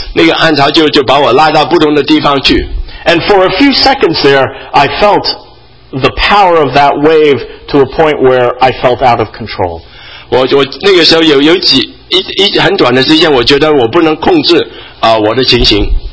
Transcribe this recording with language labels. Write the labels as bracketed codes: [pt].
[zh] 那个暗潮就把我拉到不同的地方去。 [en] And for a few seconds there, I felt the power of that wave to a point where I felt out of control. [zh] 我那个时候有几一很短的时间，我觉得我不能控制我的情形。